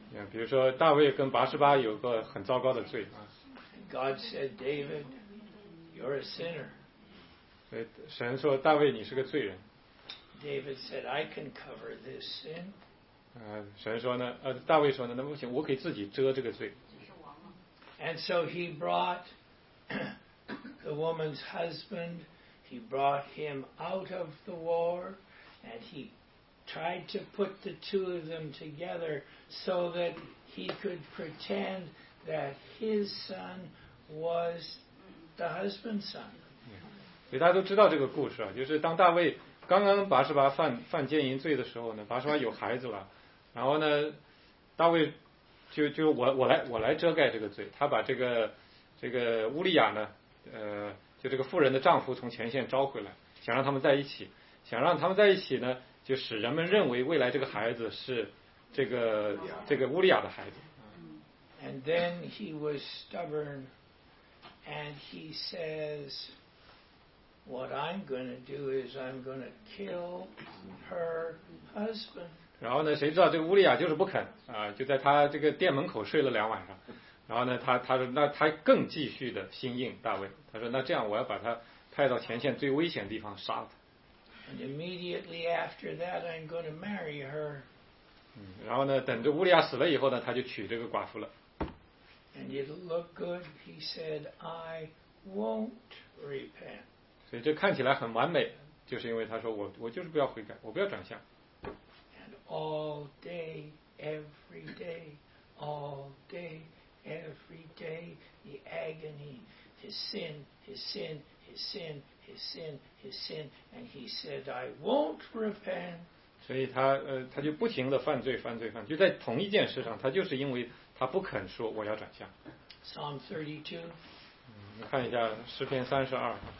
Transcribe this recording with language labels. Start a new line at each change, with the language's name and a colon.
Chinese: 比如说大卫跟拔示巴有个很糟糕的罪。
English: God said, David, you're a sinner.
Chinese: 神说大卫你是个罪人。
English: David said, I can cover this sin.
Chinese: 神说呢，大卫说呢，那不行，我可以自己遮这个罪。
English: And so he brought the woman's husband, he brought him out of the war, and he tried to put the two of them together so that he could pretend that his son was the husband's son.
Chinese: 所以大家都知道这个故事啊，就是当大卫刚刚拔示巴犯奸淫罪的时候呢，拔示巴有孩子了，然后呢，大卫就我来遮盖这个罪，他把这个乌利亚呢，就这个妇人的丈夫从前线招回来，想让他们在一起呢，就使人们认为未来这个孩子是这个乌利亚的孩子。
English: And then he was stubborn, and he says, "What I'm going to do is I'm going to kill her husband."
Chinese: 然后呢，谁知道这个乌利亚就是不肯啊，就在他这个店门口睡了两晚上。然后呢，他说，那他更继续的心硬，大卫，他说，那这样我要把他派到前线最危险的地方杀了他。
English: And immediately after that, I'm going to marry her.
Chinese: 然后呢，等着乌利亚死了以后呢，他就娶这个寡妇了。
English: And it looked good, he said, I won't repent.
Chinese: 所以这看起来很完美，就是因为他说我就是不要悔改，我不要转向。
English: And all day, every day, all day, every day, the agony, his sin, his sin, his sin, his sin, his sin, and he said, I won't repent.
Chinese: 所以他就不停地犯罪，犯罪，犯罪，就在同一件事上，他就是因为他不肯说我要转向。
English: Psalm 32。
Chinese: 你看一下诗篇三十二。